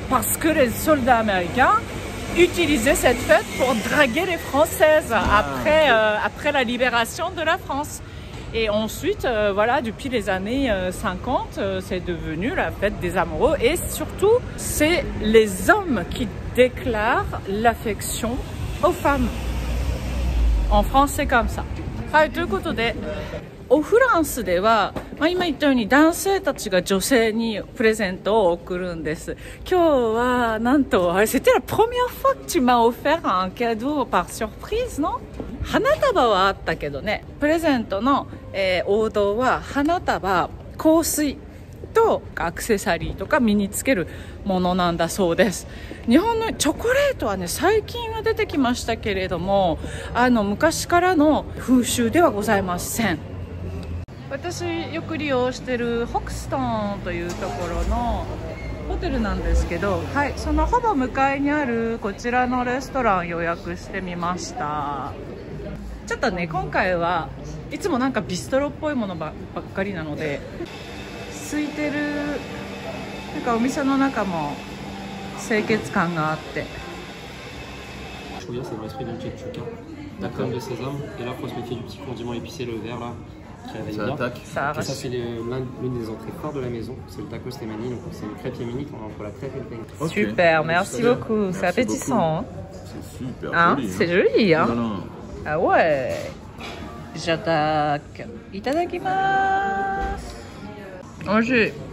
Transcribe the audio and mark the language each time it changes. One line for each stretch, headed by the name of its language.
French: Parce que les soldats américains utiliser cette fête pour draguer les Françaises après la libération de la France. Et ensuite, voilà, depuis les années 50, c'est devenu la fête des amoureux. Et surtout, c'est les hommes qui déclarent l'affection aux femmes. En France, c'est comme ça.
Japanese: Ah, ということで、
French: au France
Japanese: では、まあ今言ったように男性たちが女性にプレゼントを贈るんです。今日はなんと、あれ、
French: c'était la première fois que tu m'as offert un cadeau par surprise, non?
Japanese: 花束はあったけどね、プレゼントの、王道は花束、香水とアクセサリーとか身につけるものなんだそうです。日本のチョコレートはね、最近は出てきましたけれども、あの昔からの風習ではございません。私よく利用してるホクストンというところのホテルなんですけど、はい、そのほぼ向かいにあるこちらのレストランを予約してみました。ちょっとね、今回はいつもなんかビストロっぽいものばっかりなので空いてる、なんかお店の中も清潔感があって、チョコレートはマスクリーム・チェッチュー・キャンダ・カム・デ・セザン・エラ・プロスメティ・デ・
French: ça attaque. Ça, c'est l'une des entrées fortes de la maison. C'est le taco stemani, donc c'est une crêpe yémenite entre la crêpe et le pain. Super,
English: okay.
French: Merci, beaucoup. Merci, appétissant, merci beaucoup. C'est appétissant. C'est super. Hein, joli, c'est joli. Hein. Non, non. Ah ouais. J'attaque.
Japanese: Itadakimasu. Oji.